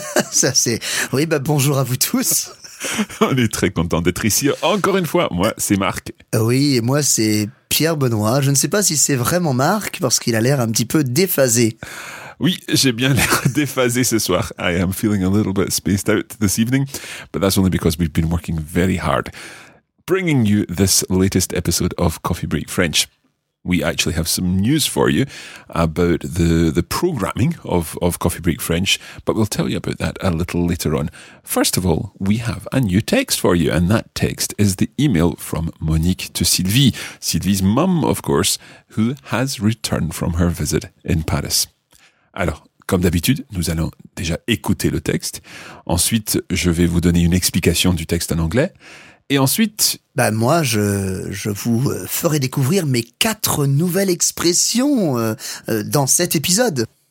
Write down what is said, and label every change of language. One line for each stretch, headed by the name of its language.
French: Ça c'est... Oui, bah bonjour à vous tous. On est très content d'être ici encore une fois. Moi, c'est Marc. Oui, et moi, c'est Pierre Benoît. Je ne sais pas si c'est vraiment Marc, parce qu'il a l'air un petit peu déphasé. Oui, j'ai bien l'air déphasé ce soir.
English: I am feeling a little bit spaced out this evening, but that's only because we've been working very hard, bringing you this latest episode of Coffee Break French. We actually have some news for you about the programming of Coffee Break French, but we'll tell you about that a little later on. First of all, we have a new text for you, and that text is the email from Monique to Sylvie, Sylvie's mum, of course, who has returned from her visit in Paris.
French: Alors, comme d'habitude, nous allons déjà écouter le texte. Ensuite, je vais vous donner une explication du texte en anglais. Et ensuite, ben moi, je vous ferai découvrir mes quatre nouvelles expressions dans cet épisode.